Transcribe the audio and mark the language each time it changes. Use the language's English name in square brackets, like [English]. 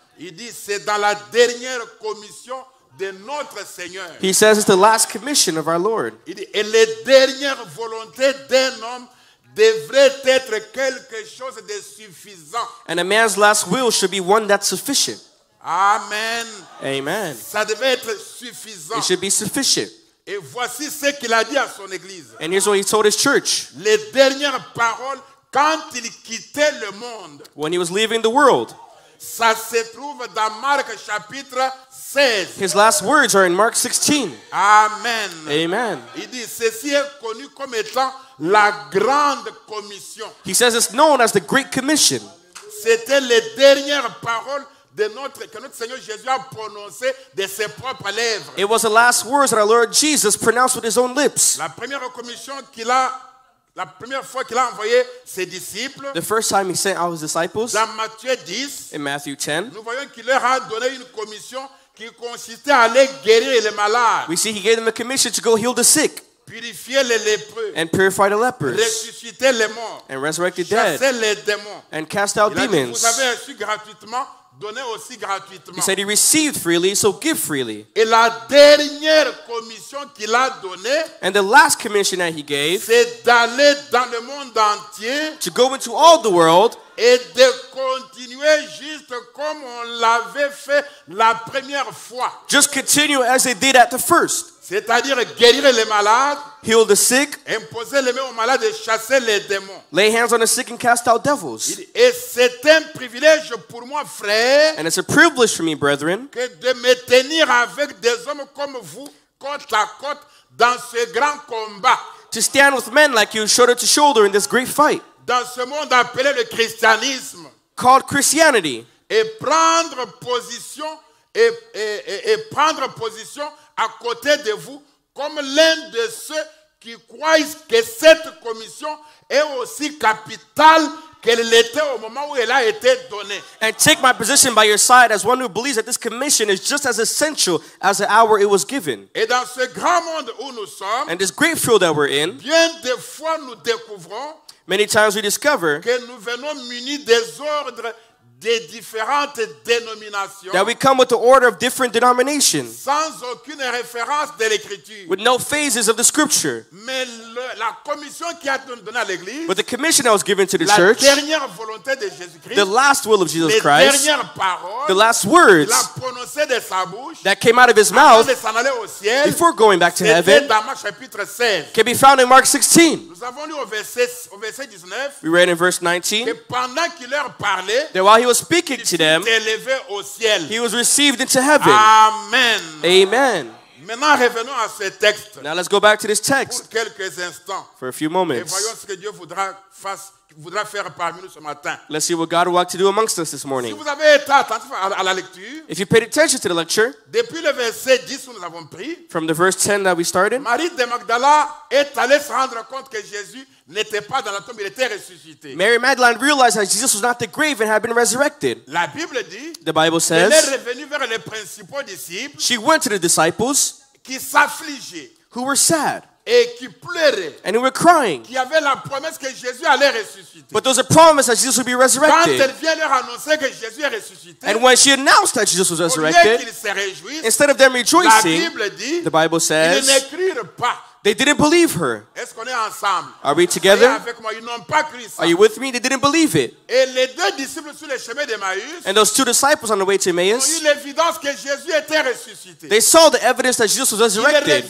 [French] Il dit, c'est dans la dernière commission de notre Seigneur. [English] He says it's the last commission of our Lord. [French] Il dit, et les dernières volontés d'un homme devrait être quelque chose de suffisant. [English] And a man's last will should be one that's sufficient. [French] Amen. [English] Amen. [French] Ça devait être suffisant. [English] It should be sufficient. [French] Et voici ce qu'il a dit à son église. [English] And here's what he told his church. [French] Les dernières paroles quand il quittait le monde. [English] When he was leaving the world. [French] Ça se trouve dans Marc chapitre 16. [English] His last words are in Mark 16. [French] Amen. [English] Amen. [French] Il dit, ceci est connu comme étant la grande commission. [English] He says it's known as the Great Commission. [French] C'était les dernières paroles de notre, que notre Seigneur Jésus a prononcées de ses propres lèvres. [English] It was the last words that our Lord Jesus pronounced with his own lips. [French] La première commission qu'il a, la première fois qu'il a envoyé ses disciples. [English] The first time he sent out his disciples. [French] Dans Matthieu 10. [English] In Matthew 10. [French] Nous voyons qu'il leur a donné une commission qui consistait à aller guérir les malades. [English] We see he gave them a commission to go heal the sick. [French] Purifier les lépreux. [English] And purify the lepers. [French] Ressusciter les morts. [English] And resurrect the dead. [French] Chasser les démons. [English] And cast out demons. [French] Vous avez reçu gratuitement, donnez aussi gratuitement. [English] He said he received freely, so give freely. [French] Et la dernière commission qu'il a donnée. [English] And the last commission that he gave. [French] C'est d'aller dans le monde entier. [English] To go into all the world. [French] Et de continuer juste comme on l'avait fait la première fois. [English] Just continue as they did at the first. [French] C'est-à-dire guérir les malades, [English] heal the sick, [French] imposer les mains aux malades et chasser les démons. [English] Lay hands on the sick and cast out devils. [French] Et c'est un privilège pour moi, frère, [English] and it's a privilege for me, brethren, [French] que de me tenir avec des hommes comme vous, côte à côte, dans ce grand combat. [English] To stand with men like you, shoulder to shoulder, in this great fight. [French] Dans ce monde appelé le christianisme. [English] Called Christianity. [French] Et prendre position, et prendre position à côté de vous, comme l'un de ceux qui croient que cette commission est aussi capitale qu'elle l'était au moment où elle a été donnée. [English] And take my position by your side as one who believes that this commission is just as essential as the hour it was given. [French] Et dans ce grand monde où nous sommes, [English] and this great field that we're in, [French] bien des fois nous découvrons, [English] many times we discover, [French] que nous venons munis des ordres des différentes dénominations, [English] that we come with the order of different denominations, [French] sans aucune référence de l'écriture, [English] with no phases of the scripture. [French] Mais la commission qui a été donnée à l'église, [English] but the commission that was given to the [French] la [English] church, [French] dernière volonté de Jésus-Christ, [English] the last will of Jesus [French] les [English] Christ, [French] dernières paroles, [English] the last words [French] il a prononcé de sa bouche, [English] that came out of his mouth [French] avant de s'en aller au ciel, [English] before going back to heaven, [French] dans Marc chapitre 16, [English] can be found in Mark 16. [French] Nous avons lu au verset 19, [English] we read in verse 19, [French] que pendant qu'il leur parlait, [English] that while he was speaking to them, he was received into heaven. [French] Amen. [English] Amen. [French] Maintenant, revenons à ce texte. [English] Now let's go back to this text [French] pour quelques instants. [English] For a few moments. [French] Et voyons ce que Dieu voudra faire parmi nous ce matin. [English] Let's see what God would like to do amongst us this morning. [French] Si vous avez été attentif à la lecture, [English] if you paid attention to the lecture, [French] depuis le verset 10 où nous avons pris, [English] from the verse 10 that we started, [French] Marie de Magdala est allée se rendre compte que Jésus n'était pas dans la tombe, il était ressuscité. [English] Mary Magdalene realized that Jesus was not the grave and had been resurrected. [French] La Bible dit, [English] the Bible says, [French] elle est revenue vers les principaux disciples, [English] she went to the disciples, [French] qui s'affligeaient, [English] who were sad, [French] et qui pleuraient, [English] and who were crying, [French] qui avaient la promesse que Jésus allait ressusciter. [English] But there was a promise that Jesus would be resurrected. [French] Quand elle vient leur annoncer que Jésus est ressuscité, [English] and when she announced that Jesus was resurrected, [French] au lieu qu'ils se réjouissent, [English] instead of them rejoicing, [French] la Bible dit, [English] the Bible says, [French] ils n'écrirent pas. [English] They didn't believe her. [French] Est-ce qu'on est ensemble? [English] Are we together? [French] Avec moi. Ils n'ont pas cru ça. [English] Are you with me? They didn't believe it. [French] Et les deux disciples sur le chemin d'Emmaüs, [English] and those two disciples on the way to Emmaus, [French] ont eu l'évidence que Jésus était ressuscité. [English] They saw the evidence that Jesus was resurrected.